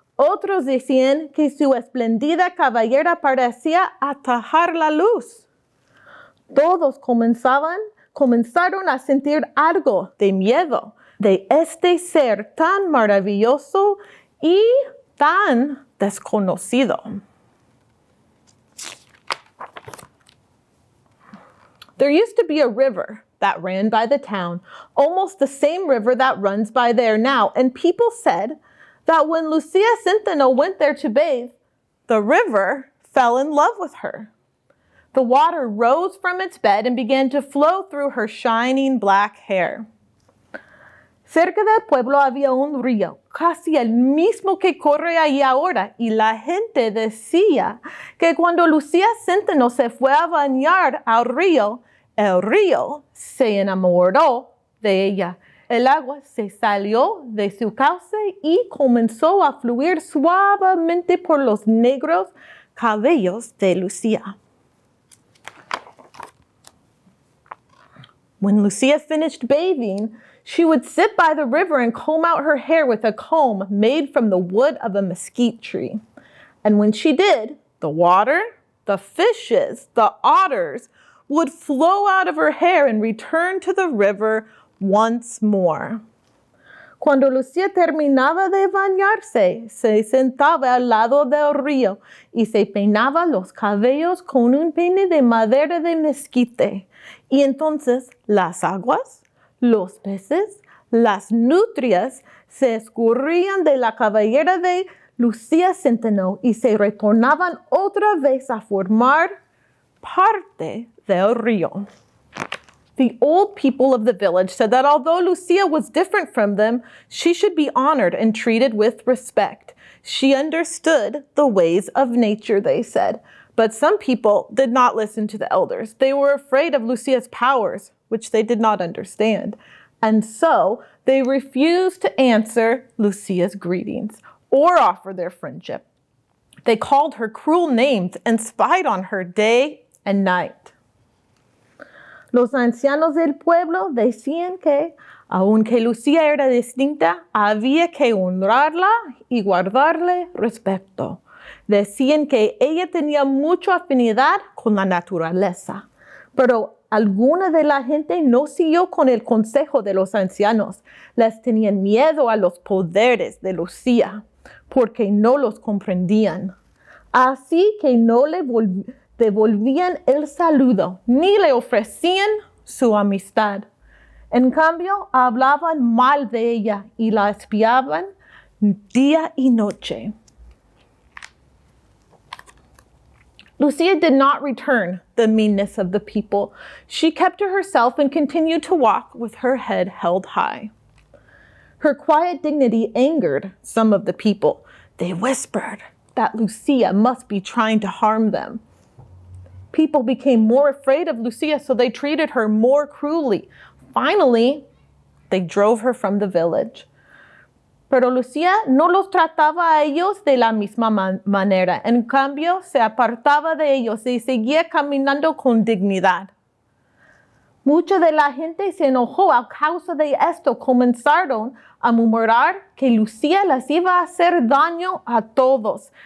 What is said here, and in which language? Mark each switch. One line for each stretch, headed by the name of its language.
Spanish: Otros decían que su espléndida cabellera parecía atajar la luz. Todos comenzaron a sentir algo de miedo de este ser tan maravilloso y tan desconocido.
English: There used to be a river that ran by the town, almost the same river that runs by there now, and people said that when Lucía Zenteno went there to bathe, the river fell in love with her. The water rose from its bed and began to flow through her shining black hair.
Spanish: Cerca del pueblo había un río, casi el mismo que corre ahí ahora, y la gente decía que cuando Lucía Zenteno se fue a bañar al río, el río se enamoró de ella. El agua se salió de su cauce y comenzó a fluir suavemente por los negros cabellos de Lucía.
English: When Lucía finished bathing, she would sit by the river and comb out her hair with a comb made from the wood of a mesquite tree. And when she did, the water, the fishes, the otters would flow out of her hair and return to the river once more.
Spanish: Cuando Lucía terminaba de bañarse, se sentaba al lado del río y se peinaba los cabellos con un peine de madera de mesquite. Y entonces las aguas, los peces, las nutrias, se escurrían de la cabellera de Lucía Zenteno y se retornaban otra vez a formar parte del río.
English: The old people of the village said that although Lucía was different from them, she should be honored and treated with respect. She understood the ways of nature, they said. But some people did not listen to the elders. They were afraid of Lucía's powers, which they did not understand. And so they refused to answer Lucia's greetings or offer their friendship. They called her cruel names and spied on her day and night.
Spanish: Los ancianos del pueblo decían que, aunque Lucía era distinta, había que honrarla y guardarle respeto. Decían que ella tenía mucha afinidad con la naturaleza. Pero alguna de la gente no siguió con el consejo de los ancianos. Les tenían miedo a los poderes de Lucía, porque no los comprendían. Así que no le devolvían el saludo, ni le ofrecían su amistad. En cambio, hablaban mal de ella y la espiaban día y noche.
English: Lucía did not return the meanness of the people. She kept to herself and continued to walk with her head held high. Her quiet dignity angered some of the people. They whispered that Lucía must be trying to harm them. People became more afraid of Lucía, so they treated her more cruelly. Finally, they drove her from the village.
Spanish: Pero Lucía no los trataba a ellos de la misma manera. En cambio, se apartaba de ellos y seguía caminando con dignidad. Mucha de la gente se enojó a causa de esto. Comenzaron a murmurar que Lucía les iba a hacer daño a todos.